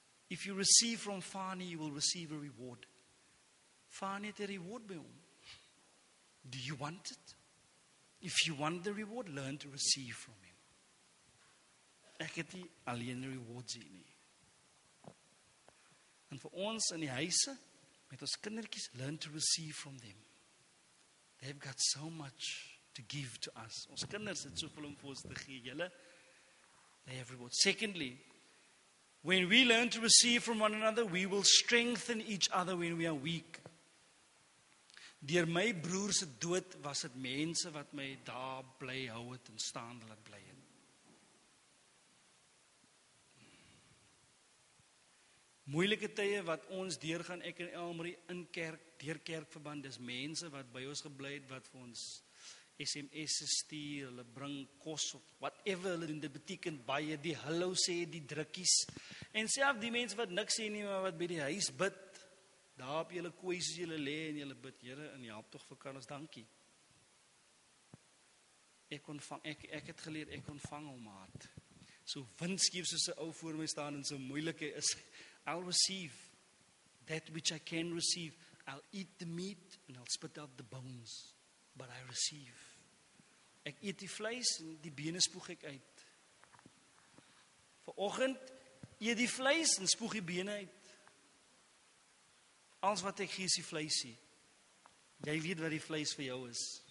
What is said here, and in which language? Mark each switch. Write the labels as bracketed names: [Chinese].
[English] If you receive from Fani, you will receive a reward. [Afrikaans] Fani het 'n reward by hom. [English] Do you want it? If you want the reward, learn to receive from him. [Afrikaans] Ek het nie alleen rewards hier nie. En vir ons in die huise, met ons kindertjies, [English] learn to receive from them. They've got so much to give to us. [Afrikaans] Ons kinders het soveel om vir ons te gee. [English] Julle, they have rewards. Secondly, when we learn to receive from one another, we will strengthen each other when we are weak. [Afrikaans] Deur my broers se dood was dit mense wat my daar bly hou het en staan laat bly het. Moeilike tye wat ons deurgaan, ek en Elmarie in kerk, deur kerkverband, dis mense wat by ons gebly het, wat vir ons SMS'e stuur, hulle bring kos of whatever hulle doen, dit beteken baie, die hallo sê, die drukkies, en self die mense wat niks sê nie, maar wat by die huis bid, daar op julle kwes as julle lê en julle bid, Here, en help tog vir Karls, dankie. Ek het geleer, ek ontvang hom haat. So windskief soos 'n ou voor my staan en so moeilik is, [English] I'll receive that which I can receive. I'll eat the meat and I'll spit out the bones, but I receive. [Afrikaans] Ek eet die vleis en die bene spoeg ek uit. Vanoggend eet die vleis en spoeg die bene uit. Alles wat ek gee is die vleisie. Jy weet wat die vleis vir jou is.